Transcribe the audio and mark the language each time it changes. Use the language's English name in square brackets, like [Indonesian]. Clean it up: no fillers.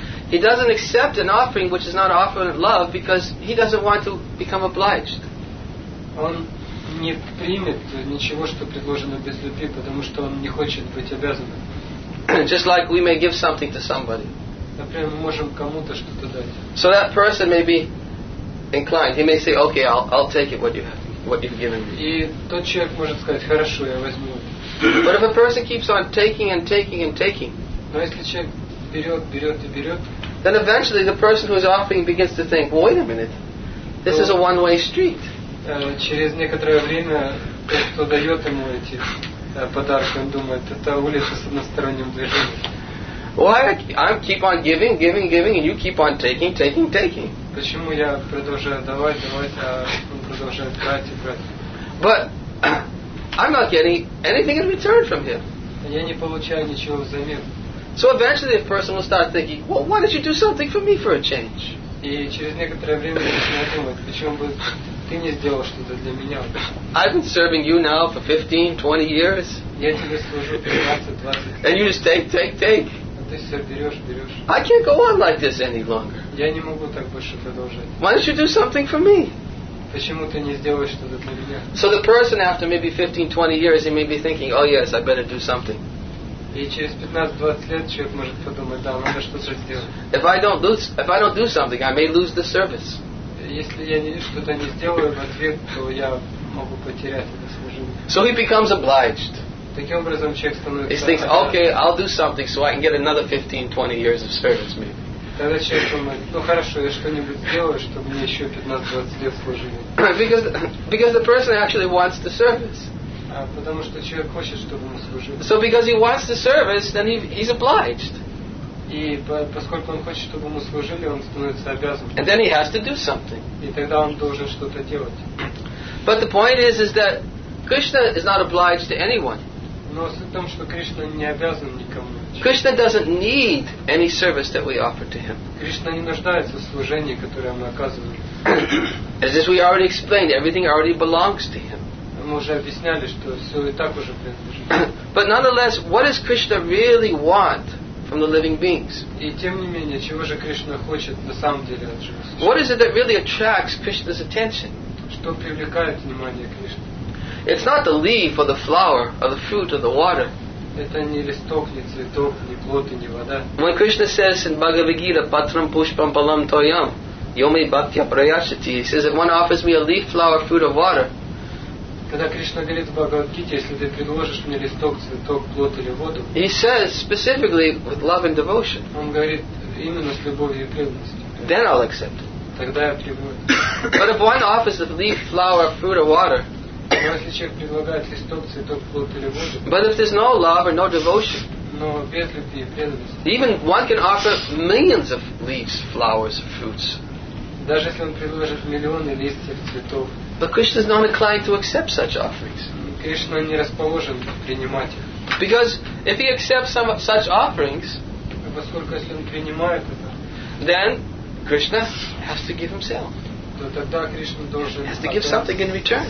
[English] He doesn't accept an offering which is not offered in love because He doesn't want to become obliged. [Russian] Он не примет ничего, что предложено без любви, потому что он не хочет быть обязанным. [English] Just like we may give something to somebody. [Russian] Например, мы можем кому-то что-то дать. [English] So that person may be inclined. He may say, "Okay, I'll take it what you've given me." [Russian] И тот человек может сказать: "Хорошо, я возьму." [English] But if a person keeps on taking and taking and taking, [Russian] но если человек берет, [English] then eventually the person who is offering begins to think, "Wait a minute, this is a one-way street." [Russian] Через некоторое время тот, кто дает ему эти подарки, он думает, это улица с односторонним движением. [English] Why I keep on giving, and you keep on taking? [Russian] Почему я продолжаю давать, а он продолжает брать? [English] But I'm not getting anything in return from him. [Russian] Я не получаю ничего взамен. [English] So eventually a person will start thinking, well, why don't you do something for me for a change? [Russian] И через некоторое время начинает думать, почему бы ты не сделал что-то для меня. [English] I've been serving you now for 15, 20 years. [Russian] Я тебе служу 15-20 лет. [English] And you just take. [Russian] А ты все берешь. [English] I can't go on like this any longer. [Russian] Я не могу так больше продолжать. [English] Why don't you do something for me? [Russian] Почему ты не сделаешь что-то для меня? [English] So the person after maybe 15-20 years, he may be thinking, oh yes, I better do something. [Russian] И через 15-20 лет человек может подумать, да, надо что-то сделать. [English] If I don't do something, I may lose the service. [Russian] Если я что-то не сделаю в ответ, то я могу потерять это служение. [English] So he becomes obliged. [Russian] Таким образом человек становится. [English] He thinks, okay, I'll do something so I can get another 15-20 years of service, maybe. [Russian] Тогда человек думает, ну хорошо, я что-нибудь сделаю, чтобы мне еще 15-20 лет служили. [English] Because the person actually wants the service. [Russian] Потому что человек хочет, чтобы ему служили. [English] So because he wants the service, then he's obliged. [Russian] И поскольку он хочет, чтобы ему служили, он становится обязанным. [English] And then he has to do something. [Russian] И тогда он должен что-то делать. [English] But the point is that Krishna is not obliged to anyone. [Russian] Но суть в том, что Кришна не обязан никому. [English] Krishna doesn't need any service that we offer to him. [Russian] Кришна не нуждается в служении, которое мы оказываем. [English] As we already explained, everything already belongs to him. [Russian] Мы уже объясняли, что все и так уже принадлежит. [English] But nonetheless, what does Krishna really want from the living beings? [Russian] И тем не менее, чего же Кришна хочет на самом деле от живых существ? [English] What is it that really attracts Krishna's attention? [Russian] Что привлекает внимание Кришны? [English] It's not the leaf or the flower or the fruit or the water. [Russian] Это не листок, не цветок, не плод и не вода. [English] When Krishna says in Bhagavad Gita, [Sanskrit] "Patram pushpam palam toyam, yomi bhaktya prayashati," [English] he says, if one offers me a leaf, flower, fruit or water. [Russian] Когда Кришна говорит в Бхагавад-гите, если ты предложишь мне листок, цветок, плод или воду, [English] he says specifically with love and devotion. [Russian] Он говорит именно с любовью и преданностью. [English] Then I'll accept. [Russian] Тогда я приму. [English] But if one offers a leaf, flower, fruit or water, [Russian] но если человек предлагает листок, цветок, плод или воду, [English] but if there's no love or no devotion, [Russian] но без любви и преданности, [English] even one can offer millions of leaves, flowers, fruits. [Russian] Даже если он предложит миллионы листьев, цветов. [English] But Krishna is not inclined to accept such offerings. [Russian] Кришна не расположен принимать их. [English] Because if he accepts some such offerings, [Russian] поскольку если он принимает это, [English] then Krishna has to give himself. [Russian] То тогда Кришна должен. [English] Has to give something in return.